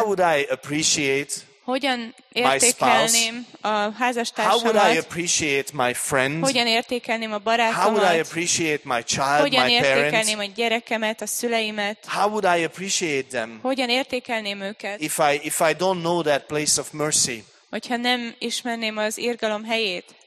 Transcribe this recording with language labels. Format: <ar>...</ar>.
<en>How would I appreciate</en> <hu>hogyan értékelném a házastársamat?</hu> <en>How would I appreciate my friend?</en> <hu>Hogyan értékelném a barátomat?</hu> <en>How would I appreciate my child,</en> <hu>hogyan</hu> <en>my</en> <hu>értékelném</hu> <en>parents?</en> <hu>A gyerekemet, a szüleimet?</hu> <en>How would I appreciate them?</en> <hu>Hogyan értékelném őket?</hu> <en>If I don't know that place of mercy.</en> <hu>Hogyha nem ismerném az irgalom helyét.</hu>